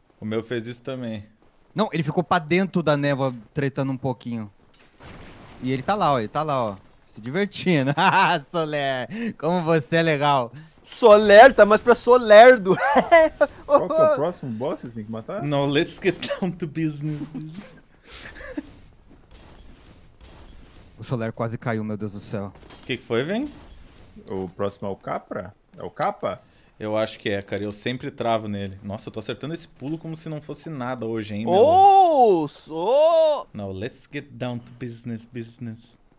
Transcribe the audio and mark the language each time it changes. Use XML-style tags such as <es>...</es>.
<pt>O meu fez isso também. Não, ele ficou pra dentro da névoa tretando um pouquinho. E ele tá lá, ó. Ele tá lá, ó. Se divertindo. Ah, Soler. Como você é legal. Soler, tá mais pra Solerdo. Qual que é o próximo boss que tem que matar?</pt> <en>Não, let's get down to business.</en> <pt>O Soler quase caiu, meu Deus do céu. O que foi, Vem? O próximo é o Capra? É o Capa? Eu acho que é, cara. Eu sempre travo nele. Nossa, eu tô acertando esse pulo como se não fosse nada hoje, hein, meu?</pt> <en>Não, let's get down to business.</en>